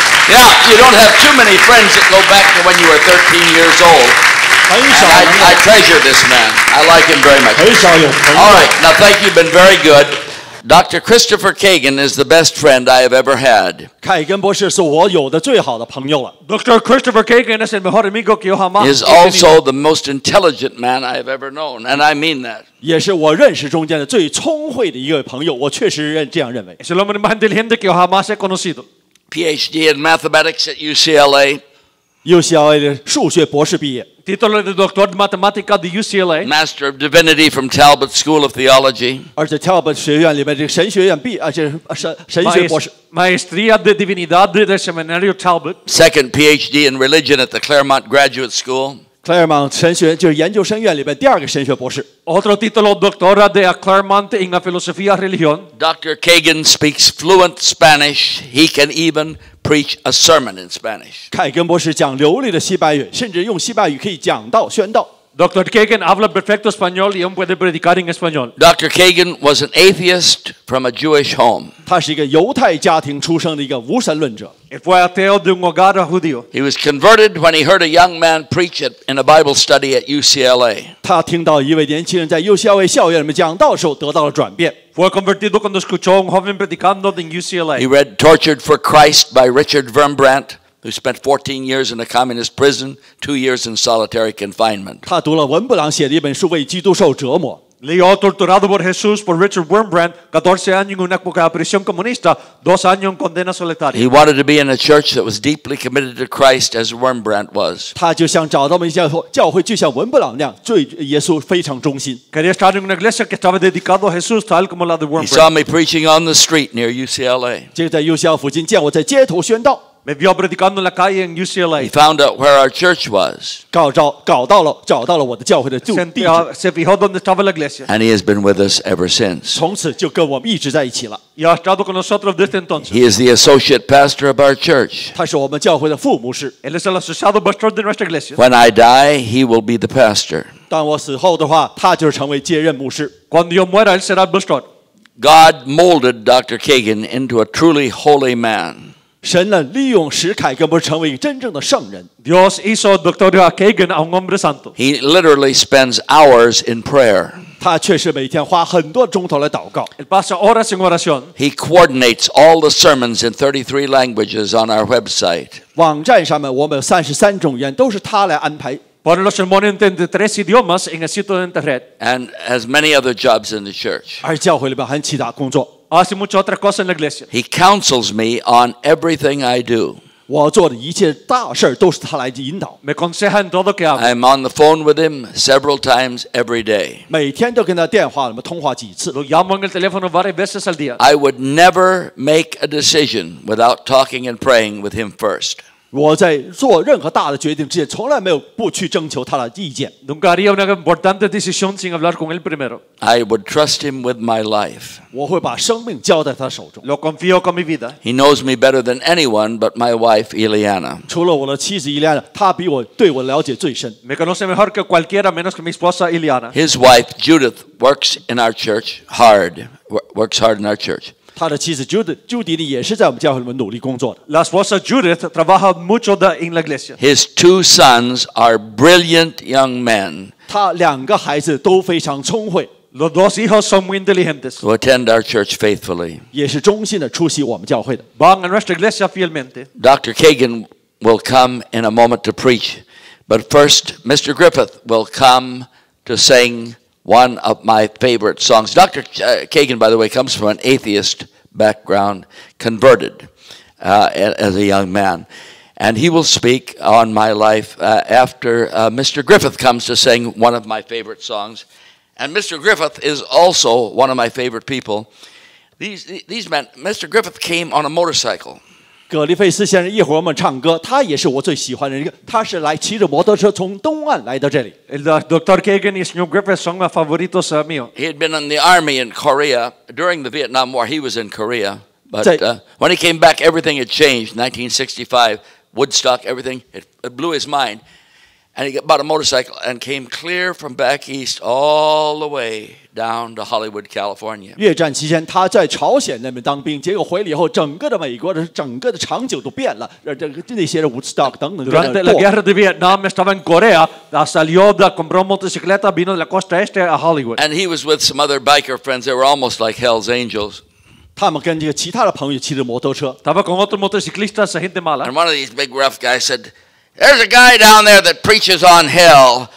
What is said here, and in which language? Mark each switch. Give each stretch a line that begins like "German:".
English: Yeah, you don't have too many friends that go back to when you were 13 years old. And I treasure this man. I like him very much. All right, now thank you, been very good. Dr. Christopher Cagan is the best friend I have ever had. Dr.
Spanish: Christopher Cagan es el mejor amigo que yo jamás.
English: Is also the most intelligent man I have ever known, and I mean that.
Spanish: Es el hombre más inteligente que yo jamás he conocido.
English: PhD in mathematics at UCLA.
Chinese: UCLA 的数学博士毕业.
Spanish: Título de doctor de matemática de UCLA.
English: Master of divinity from Talbot School of Theology.
Chinese: 而且Talbot学院里面这个神学院毕，而且神学博士.
Spanish: Maestría de divinidad del seminario Talbot.
English: Second PhD in religion at the Claremont Graduate School.
Chinese: Claremont神学就是研究生院里面第二个神学博士.
Spanish: Otro título doctora de Claremont en la filosofía religión.
English: Dr. Cagan speaks fluent Spanish. He can even preach a sermon in Spanish.
Chinese: 凯根博士讲流利的西班牙语，甚至用西班牙语可以讲道宣道。
English: Dr.
Spanish: Cagan habla perfecto español y aún puede predicar en español.
English: Dr. Cagan was an atheist from a Jewish home.
Chinese: 他是一个犹太家庭出生的一个无神论者。
Spanish: Fue ateo de un hogar judío.
English: He was converted when he heard a young man preach it in a Bible study at UCLA.
Chinese: 他听到一位年轻人在 UCLA 校园里面讲道时候得到了转变。
Spanish: Fue convertido cuando escuchó un joven predicando en UCLA.
English: He read Tortured for Christ by Richard Wurmbrandt. Who spent 14 years in a communist prison, 2 years in solitary confinement.
Chinese: 他读了文布朗写的一本书《为基督受折磨》。
Spanish: Leo torturado por Jesús por Richard Wurmbrandt, 14 años en una época de prisión comunista, 2 años en condena solitaria.
English: He wanted to be in a church that was deeply committed to Christ as Wurmbrandt was.
Chinese: 他就想找到一家教会，就像文布朗那样，对耶稣非常忠心。
Spanish: Quería estar en una iglesia que estaba dedicado a Jesús tal como la de Wurmbrandt.
English: He saw me preaching on the street near UCLA.
Chinese: 就在 UCLA 附近见我在街头宣道。
Spanish: Me vio predicando en la calle en UCLA.
English: He found out where our church was.
Chinese: 找到了我的教会的住地。
Spanish: Se fijó donde estaba la iglesia.
English: And he has been with us ever since.
Chinese: 从此就跟我们一直在一起了。
Spanish: Y ha estado con nosotros desde entonces.
English: He is the associate pastor of our church.
Chinese: 他是我们教会的副牧师。
Spanish: Él es el asociado pastor de nuestra iglesia.
English: When I die, he will be the pastor.
Chinese: 当我死后的话，他就是成为接任牧师。
Spanish: Cuando yo muera, él será el pastor.
English: God molded Dr. Cagan into a truly holy man.
Chinese: 神呢利用史凯格伯成为真正的圣人。
Spanish: Dios hizo Dr. Cagan a un hombre santo.
English: He literally spends hours in prayer.
Chinese: 他确实每天花很多钟头来祷告。
Spanish: Él pasa horas en oración.
English: He coordinates all the sermons in 33 languages on our website.
Chinese: 网站上面我们有33种语言，都是他来安排。
Spanish: Pone los sermones en 33 idiomas en el sitio de internet.
English: And has many other jobs in the church.
Chinese: 而教会里面还有其他工作。
Spanish: Hace muchas otras cosas en la iglesia.
English: He counsels me on everything I do.
Chinese: 我做的一切大事都是他来引导。
Spanish: Me aconseja en todo que hago.
English: I'm on the phone with him several times every day.
Chinese: 每天都跟他电话里面通话几次。
Spanish: Lo llamo en el teléfono varias veces al día.
English: I would never make a decision without talking and praying with him first.
Chinese: 我在做任何大的决定之前，从来没有不去征求他的意见。
Spanish: Nunca haría una importante decisión sin hablar con él primero.
English: I would trust him with my life.
Chinese: 我会把生命交在他手中。
Spanish: Lo confío con mi vida.
English: He knows me better than anyone but my wife, Eliana.
Chinese: 除了我的妻子伊利亚娜，他比我对我了解最深。
Spanish: Me conoce mejor que cualquiera menos que mi esposa, Eliana.
English: His wife, Judith, works in our church hard. Works hard in our church.
Chinese: 他的妻子 Judy 也是在我们教会里面努力工作的。
Spanish: La esposa Judith trabaja mucho en la iglesia.
English: His two sons are brilliant young men.
Chinese: 他两个孩子都非常聪慧。
Spanish: Los dos hijos son muy inteligentes.
English: Who attend our church faithfully.
Chinese: 也是忠心的出席我们教会的。
Spanish: Van a nuestra iglesia fielmente.
English: Dr. Cagan will come in a moment to preach. But first, Mr. Griffith will come to sing. One of my favorite songs. Dr. Cagan, by the way, comes from an atheist background, converted as a young man. And he will speak on my life after Mr. Griffith comes to sing one of my favorite songs. And Mr. Griffith is also one of my favorite people. These men, Mr. Griffith came on a motorcycle.
Chinese: 葛利费斯先生一会儿我们唱歌，他也是我最喜欢的人。他是来骑着摩托车从东岸来到这里。
English: Dr.
Spanish: Cagan y señor Griffith son mis favoritos míos.
English: He had been in the army in Korea during the Vietnam War. He was in Korea, but when he came back, everything had changed. 1965, Woodstock, everything it blew his mind, and he bought a motorcycle and came clear from back east all the way. Down to Hollywood, California.
Chinese: 越战期间，他在朝鲜那边当兵，结果回来以后，整个的美国的整个的场景都变了。那些的 Woodstock 等等。
Spanish: Durante la guerra de Vietnam, estaba en Corea. Salió de comprar motocicleta, vino de la costa este a Hollywood.
English: And he was with some other biker friends. They were almost like Hell's Angels.
Chinese: 他们跟这个其他的朋友骑着摩托车。
Spanish: Estaba con otros motociclistas, gente mala.
English: And one of these big rough guys said, "There's a guy down there that preaches on hell.